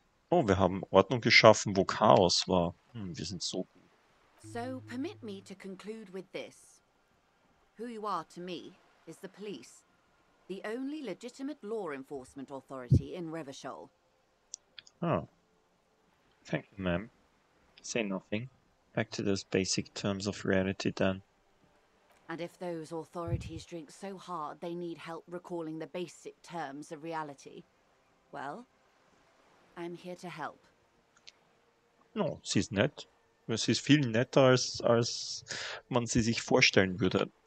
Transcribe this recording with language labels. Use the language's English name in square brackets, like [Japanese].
[German] Oh, wir haben Ordnung geschaffen, wo Chaos war. Wir sind so gut. [English] So permit me to conclude with this. Who you are to me is the police, the only legitimate law enforcement authority in Revachol. Ah. Thank you, ma'am. Say nothing. Back to those basic terms of reality then. And if those authorities drink so hard they need help recalling the basic terms of reality, well, I'm here to help. [German] No, sie ist nett. Sie ist viel netter, als man sie sich vorstellen würde.